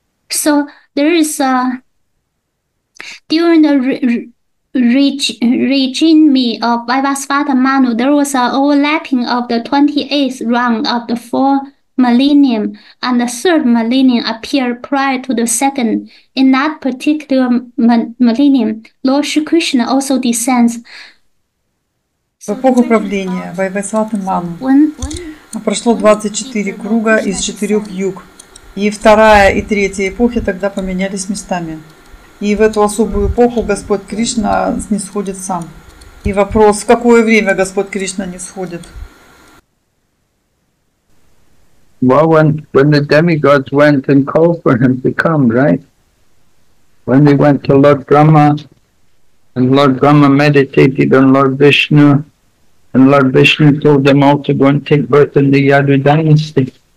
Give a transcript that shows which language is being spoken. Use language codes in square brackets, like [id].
[en] So there is a during the regime of Vaivasvata Manu, there was an overlapping of the 28th round of the fourth millennium, and the third millennium appeared prior to the second. In that particular millennium, Lord Shri Krishna also descends. [ru] По Богу правления Вайвасвата Ману прошло 24 круга из 4 юг, и вторая и третья эпохи тогда поменялись местами. И в эту особую эпоху Господь Кришна снисходит сам. И вопрос, в какое время Господь Кришна нисходит? [en] Well, when the demigods went and called for him to come, right? When they went to Lord Brahma, and Lord Brahma meditated on Lord Vishnu, and Lord Vishnu told them all to go and take birth in the Yadu dynasty.